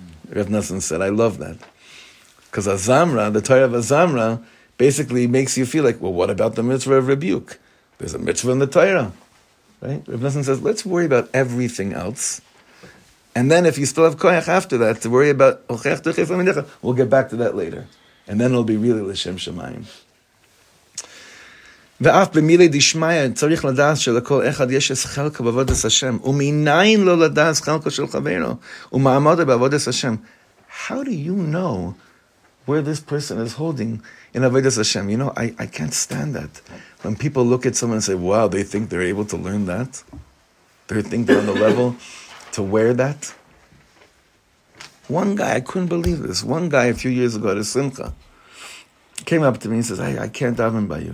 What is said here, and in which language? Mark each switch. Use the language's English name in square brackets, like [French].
[English] Rav Nosson said, I love that. Because Azamra, the Torah of Azamra, basically makes you feel like, well, what about the mitzvah of rebuke? There's a mitzvah in the Torah. Right? Rav Nosson says, let's worry about everything else. And then if you still have koyach after that, to worry about, we'll get back to that later. And then it'll be really l'shem shemayim. [Hebrew] ואף במילי דשמיה צריך לדעת שלכל אחד יש חלק בעבודת השם ומניין לו לדעת חלק של חברו ומעמוד בעבודת השם. [English] How do you know where this person is holding in עבודת השם? You know, I can't stand that. When people look at someone and say, wow, they think they're able to learn that? They think they're on the level to wear that? One guy, I couldn't believe this, one guy a few years ago at a simcha, came up to me and says, I can't daven by you.